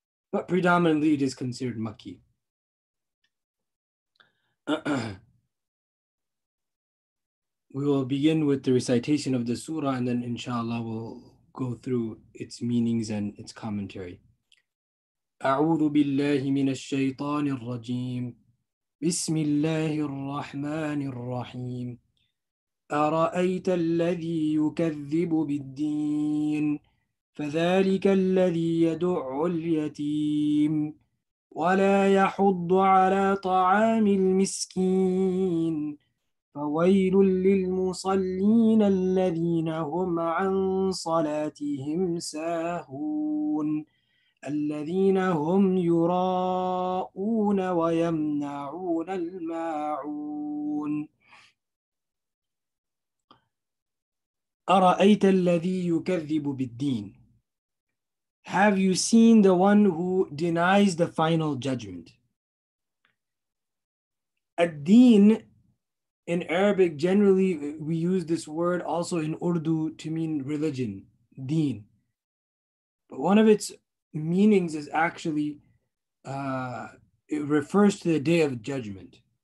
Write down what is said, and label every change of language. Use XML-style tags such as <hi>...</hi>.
<en>But predominantly it is considered Makki. We will begin with the recitation of the surah and then inshallah we'll go through its meanings and its commentary.</en> <ar>A'udhu billahi minash shaytanir rajim. بسم الله الرحمن الرحيم أرأيت الذي يكذب بالدين فذلك الذي يدعو اليتيم ولا يحض على طعام المسكين فويل للمصلين الذين هم عن صلاتهم ساهون الذين هم يراءون ويمنعون الماعون أرأيت الذي يكذب بالدين.</ar> <en>Have you seen the one who denies the final judgment? الدين, in Arabic, generally we use this word also in Urdu to mean religion, deen. But one of its meanings is actually, it refers to the day of judgment.</en>